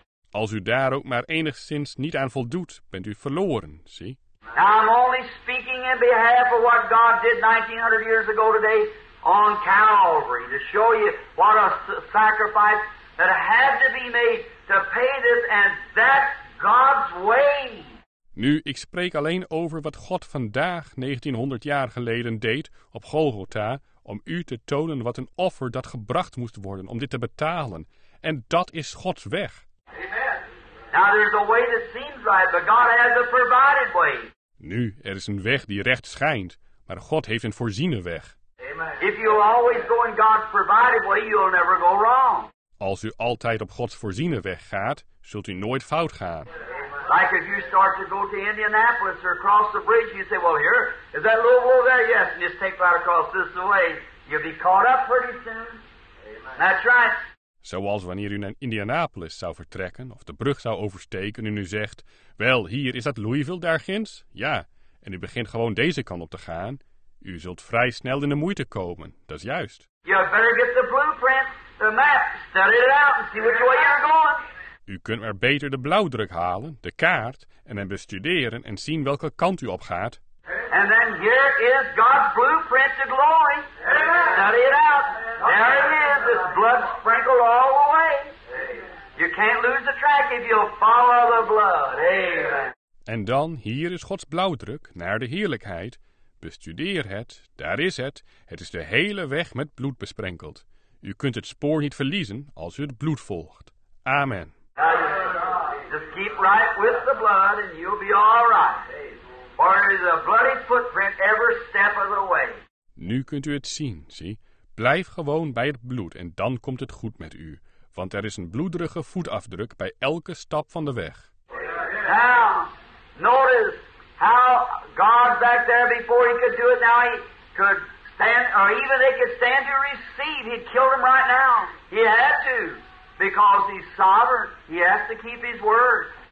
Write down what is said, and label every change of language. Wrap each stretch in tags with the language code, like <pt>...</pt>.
<nl>Als u daar ook maar enigszins niet aan voldoet, bent u verloren, zie.</nl> <en>Now I'm only speaking in behalf of what God did 1900 years ago today on Calvary, to show you what a sacrifice that had to be made to pay this, and that's God's way.</en> <nl>Nu, ik spreek alleen over wat God vandaag 1900 jaar geleden deed op Golgotha, om u te tonen wat een offer dat gebracht moest worden om dit te betalen. En dat is Gods weg. Amen.</nl> <en>Now there's a way that seems right, but God has a provided way.</en> <nl>Nu, er is een weg die recht schijnt, maar God heeft een voorziene weg. Amen.</nl> <en>If you'll always go in God's provided way, you'll never go wrong.</en> <nl>Als u altijd op Gods voorziene weg gaat, zult u nooit fout gaan.</nl> <en>Like if you start to go to Indianapolis or across the bridge, you say, well, here, is that Louisville there? Yes, and just take right across this way. You'll be caught up pretty soon. Amen. That's right.</en> <nl>Zoals wanneer u naar Indianapolis zou vertrekken of de brug zou oversteken en u zegt, wel, hier, is dat Louisville daar ginds? Ja, en u begint gewoon deze kant op te gaan. U zult vrij snel in de moeite komen. Dat is juist.</nl> <en>You better get the blueprint, the map, study it out and see which way you're going.</en> <nl>U kunt maar beter de blauwdruk halen, de kaart, en hem bestuderen en zien welke kant u opgaat.</nl> <en>And then here is God's blueprint to glory. Study it out. There it is. It's blood sprinkled all the way. You can't lose the track if you'll follow the blood. Amen.</en> <nl>En dan, hier is Gods blauwdruk naar de heerlijkheid. Bestudeer het. Daar is het. Het is de hele weg met bloed besprenkeld. U kunt het spoor niet verliezen als u het bloed volgt. Amen.</nl> <en>Just keep right with the blood and you'll be all right. For it is a bloody footprint every step of the way.</en> <nl>Nu kunt u het zien, zie. Blijf gewoon bij het bloed en dan komt het goed met u. Want er is een bloederige voetafdruk bij elke stap van de weg.</nl> <en>Now, notice how God back there before he could do it. Now he could stand, or even they could stand to receive. He'd kill them right now. He had to. Because he's sovereign, he has to keep his word.</en>